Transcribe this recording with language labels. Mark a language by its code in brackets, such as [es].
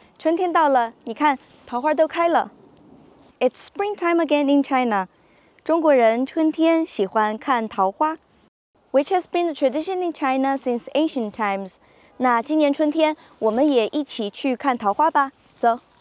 [zh] 春天到了，你看，桃花都开了。 [en] It's springtime again in China. [zh] 中国人春天喜欢看桃花。 [en] Which has been a tradition in China since ancient times. [zh] 那今年春天，我们也一起去看桃花吧，走。